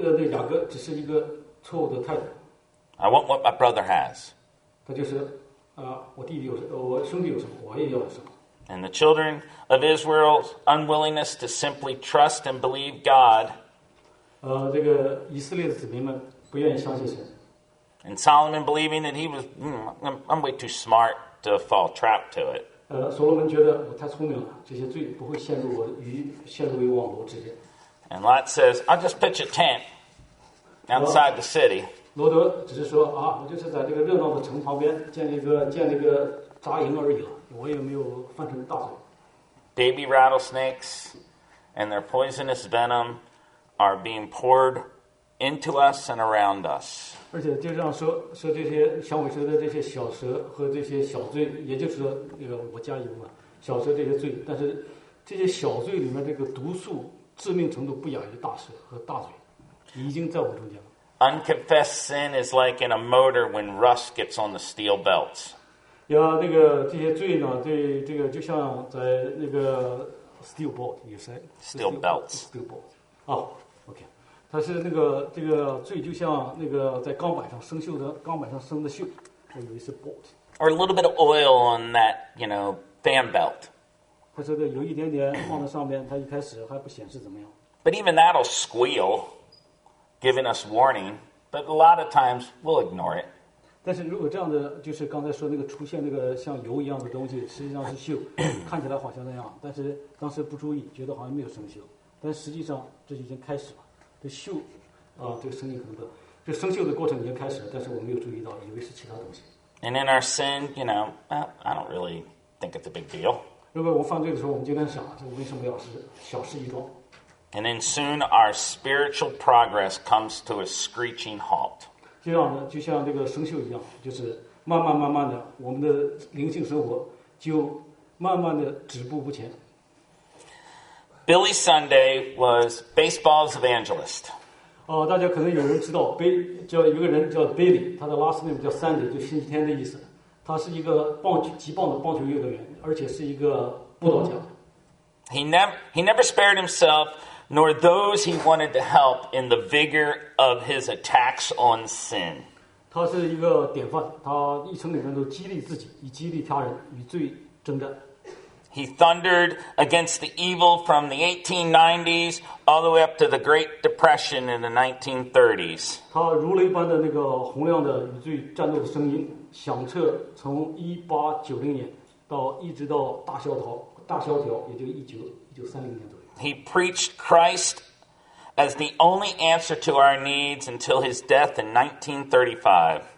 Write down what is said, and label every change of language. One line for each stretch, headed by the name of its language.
Chinese: 雅各只是一个错误的态度。
English: I want what my brother has.
Chinese: 他就是，我弟弟有什么，我兄弟有什么，我也要有什么。
English: And the children of Israel's unwillingness to simply trust and believe God.
Chinese: 这个以色列的子民们不愿意相信神。
English: And Solomon believing that he was, I'm way too smart to fall trap to it.
Chinese: 所罗门觉得我太聪明了，这些罪不会陷入为网罗之间。
English: And Lot says, I'll just pitch a tent outside the city.
Chinese: 罗德只是说啊，我就是在这个热闹的城旁边建立一个扎营而已，我也没有犯什么大罪。
English: Baby rattlesnakes and their poisonous venom are being poured into us and around us.
Chinese: 而且就这样说这些响尾蛇的这些小蛇和这些小罪，也就是说那个我加油嘛，小蛇这些罪，但是这些小罪里面这个毒素。致命程度不亚于大蛇和大嘴，已经在我中间了。
English: Unconfessed sin is like in a motor when rust gets on the steel belts.
Chinese: 那个这些罪呢，对这个就像在那个 steel belt， 有谁
English: ？Steel belts. Steel belt.
Chinese: 哦 ，OK， 它是那个这个罪就像那个在钢板上生锈的钢板上生的锈，我以为是 bolt。
English: Or a little bit of oil on that, you know, fan belt.
Chinese: 它这个有一点点放在上面，它一开始还不显示怎么样。
English: But even that'll squeal, giving us warning. But a lot of times we'll ignore it.
Chinese: 但是如果这样的，就是刚才说那个出现那个像油一样的东西，实际上是锈，看起来好像那样，但是当时不注意，觉得好像没有生锈，但实际上这已经开始了。这锈，这个声音可能不，这生锈的过程已经开始了，但是我没有注意到，以为是其他东西。
English: And in our sin, you know, I don't really think it's a big deal.
Chinese: 如果我犯罪的时候，我们就在想，这为什么要是小事一桩
English: ？And then soon our spiritual progress comes to a screeching halt.
Chinese: 这样呢，就像这个生锈一样，就是慢慢慢慢的，我们的灵性生活就慢慢的止步不前。
English: Billy Sunday was baseball's evangelist.
Chinese: 大家可能有人知道，叫一个人叫 Billy， 他的
English: last name
Chinese: 叫 Sunday， 就星期天的意思。他是一个极棒的棒球运动员，而且是一个布道家。
English: He never spared himself nor those he wanted to help in the vigor of his attacks on sin.
Chinese: 他是一个典范，他一生里面都激励自己，以激励他人与罪征战。
English: He thundered against the evil from the 1890s all the way up to the Great Depression in the 1930s.
Chinese: 他如雷般的那个洪亮的与罪战斗的声音响彻，从1890年到一直到大萧条，也就1930年左右。
English: He preached Christ as the only answer to our needs until his death in 1935.